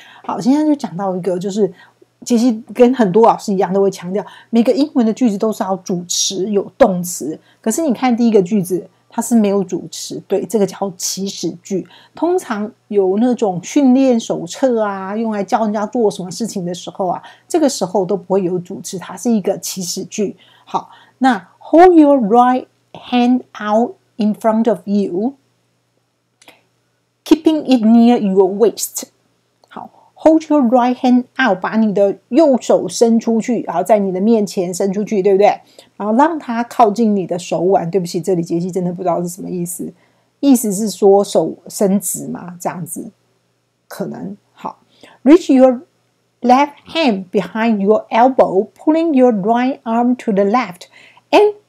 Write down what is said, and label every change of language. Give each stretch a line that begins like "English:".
Chinese: 好，现在就讲到一个，就是其实跟很多老师一样，都会强调每个英文的句子都是要主词有动词。可是你看第一个句子，它是没有主词，对，这个叫祈使句。通常有那种训练手册啊，用来教人家做什么事情的时候啊，这个时候都不会有主词，它是一个祈使句。好，那
English: hold your right。 Hand out in front of you, keeping it near your waist.
Chinese: 好 ，
English: hold your right hand out，
Chinese: 把你的右手伸出去，然后在你的面前伸出去，对不对？然后让它靠近你的手腕。对不起，这里杰西真的不知道是什么意思。意思是说手伸直嘛，这样子可能好。
English: Reach your left hand behind your elbow, pulling your right arm to the left and.